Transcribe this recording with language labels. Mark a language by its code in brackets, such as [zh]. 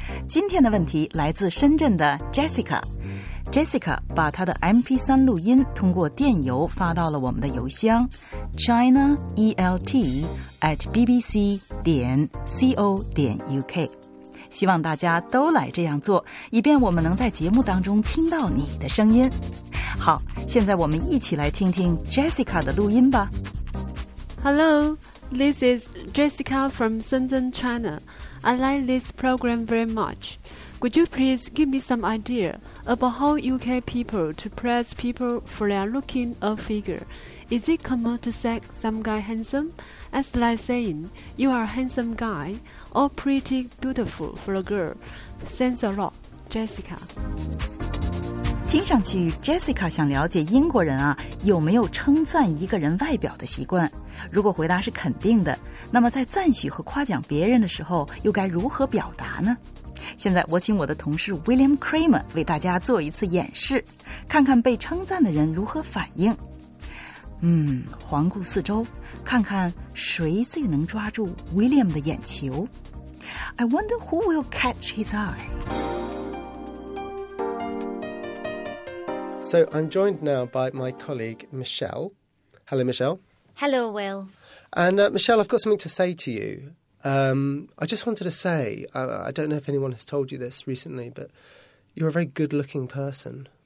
[zh] 今天的问题来自深圳的 Jessica。Jessica 把她的 MP3 录音通过电邮发到了我们的邮箱 chinaelt@bbc.co.uk。希望大家都来这样做，以便我们能在节目当中听到你的声音。好，现在我们一起来听听 Jessica 的录音吧。 [en] Hello, this is Jessica from Shenzhen, China. I like this program very much. Would you please give me some idea about how UK people to praise people for their looking or figure? Is it common to say some guy handsome? As like saying, you are a handsome guy or pretty beautiful for a girl. Thanks a lot, Jessica. [zh] 听上去 Jessica 想了解英国人啊有没有称赞一个人外表的习惯，如果回答是肯定的，那么在赞许和夸奖别人的时候又该如何表达呢？现在我请我的同事 William Kramer 为大家做一次演示，看看被称赞的人如何反应。环顾四周，看看谁最能抓住 William 的眼球。 [en] I wonder who will catch his eye. So I'm joined now by my colleague, Michelle. Hello, Michelle. Hello, Will. And Michelle, I've got something to say to you. I just wanted to say, I don't know if anyone has told you this recently, but you're a very good-looking person.